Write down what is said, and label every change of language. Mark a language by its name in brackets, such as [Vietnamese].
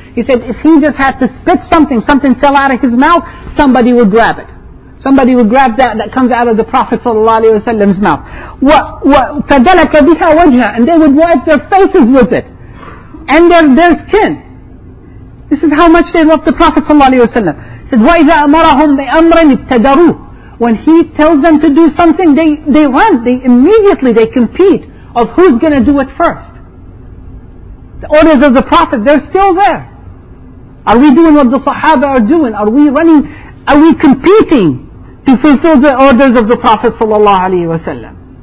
[English] He said, if he just had to spit something, something fell out of his mouth, somebody would grab it. Somebody would grab that comes out of the Prophet sallallahu alayhi wa sallam's mouth. [Arabic] فَدَلَكَ بِهَا وَجْهًا. [English] And they would wipe their faces with it. And their skin. This is how much they love the Prophet sallallahu alayhi wa sallam. Said, [Arabic] وَإِذَا أَمَرَهُمْ بِأَمْرٍ اِبْتَدَرُوا. [English] When he tells them to do something, they run. They immediately compete of who's going to do it first. The orders of the Prophet, they're still there. Are we doing what the Sahaba are doing? Are we running? Are we competing to fulfill the orders of the Prophet sallallahu alayhi wa sallam?